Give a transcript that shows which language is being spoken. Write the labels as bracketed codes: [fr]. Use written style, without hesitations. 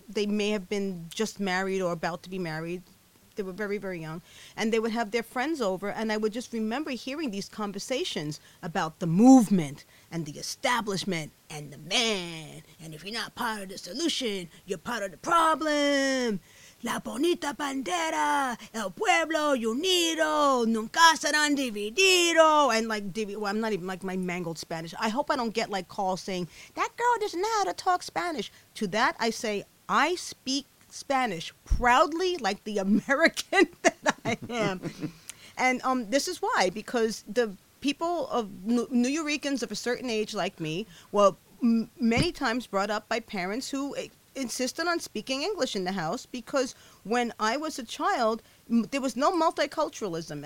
[en] They may have been just married or about to be married. They were very, very young. And they would have their friends over, and I would just remember hearing these conversations about the movement and the establishment and the man. And if you're not part of the solution, you're part of the problem. [es] La bonita bandera, el pueblo unido, nunca serán dividido. [en] And like, well, I'm not even like my mangled Spanish. I hope I don't get like calls saying, that girl doesn't know how to talk Spanish. To that, I say, I speak Spanish proudly like the American that I am. And this is why, because the people of New Yorkans of a certain age like me were many times brought up by parents who insisted on speaking English in the house, because when I was a child, there was no multiculturalism.